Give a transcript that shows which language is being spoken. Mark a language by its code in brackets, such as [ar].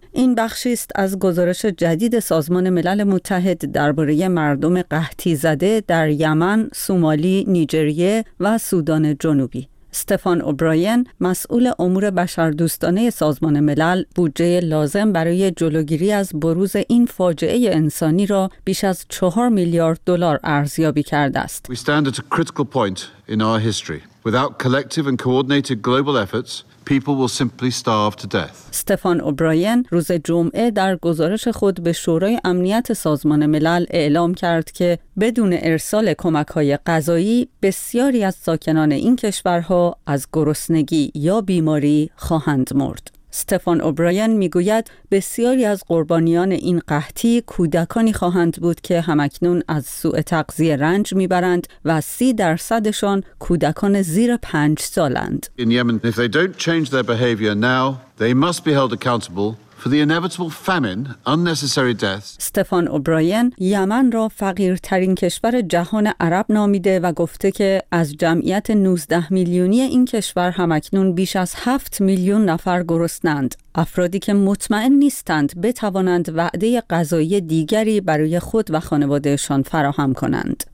[fa] این بخشی است از گزارش جدید سازمان ملل متحد درباره مردم قحطی زده در یمن، سومالی، نیجریه و سودان جنوبی. استفان اوبراین، مسئول امور بشردوستانه سازمان ملل، بودجه لازم برای جلوگیری از بروز این فاجعه انسانی را بیش از 4 میلیارد دلار ارزیابی کرده است. [en] We stand at a critical point in our history. Without collective and coordinated global efforts, people will simply starve to death. [fa] استفان اوبراین روز جمعه در گزارش خود به شورای امنیت سازمان ملل اعلام کرد که بدون ارسال کمک‌های غذایی بسیاری از ساکنان این کشورها از گرسنگی یا بیماری خواهند مرد. استفان اوبراین میگوید بسیاری از قربانیان این قحطی کودکانی خواهند بود که همکنون از سوء تغذیه رنج میبرند و 30%شان کودکان زیر 5 سالند. [en] In Yemen, if they don't change their behavior now, they must be held accountable for the inevitable famine, unnecessary deaths. [fa] استفان اوبراین یمن را فقیرترین کشور جهان عرب نامیده و گفته که از جمعیت 19 میلیونی این کشور همکنون بیش از 7 میلیون نفر گرسنه‌اند، افرادی که مطمئن نیستند بتوانند وعده غذایی دیگری برای خود و خانواده‌شان فراهم کنند.